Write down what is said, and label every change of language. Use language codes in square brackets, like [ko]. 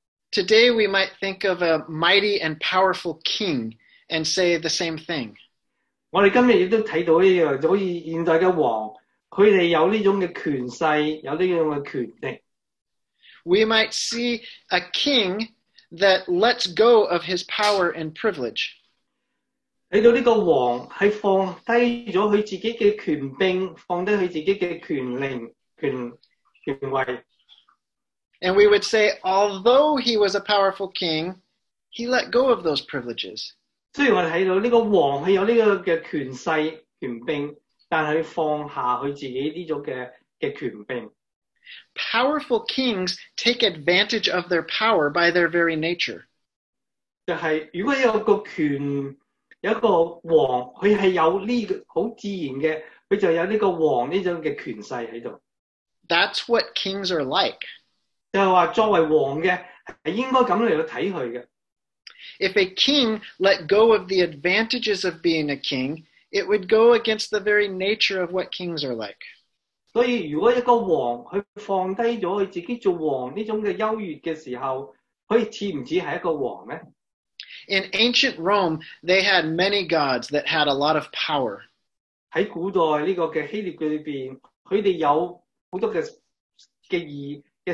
[en] Today we might think of a mighty and powerful king and say the same thing. [zh] 我们今天也都看到一样，好像现在的王，他们有这种权势，有这种权力。 [en] We might see a king that lets go of his power and privilege. [zh] 看到这个王是放低了他自己的权柄，放低他自己的权令，权位。 [en] And we would say, although he was a powerful king, he let go of those privileges. [zh] 虽然我们看到这个王他有这个的权势、权柄，但是放下他自己这种的权柄。 [en] Powerful kings take advantage of their power by their very nature. [zh] 就是如果有一个权，有一个王，他是有这个很自然的，他就有这个王这种的权势在这里。 [en] That's what kings are like. [zh] 就是说作为王的是应该这样来看他的。 [en] If a king let go of the advantages of being a king, it would go against the very nature of what kings are like. [zh] 所以如果一个王他放低了他自己做王这种的优越的时候，他似不似是一个王呢？ [en] In ancient Rome, they had many gods that had a lot of power. [zh] 在古代这个希腊里面，他们有很多的意义。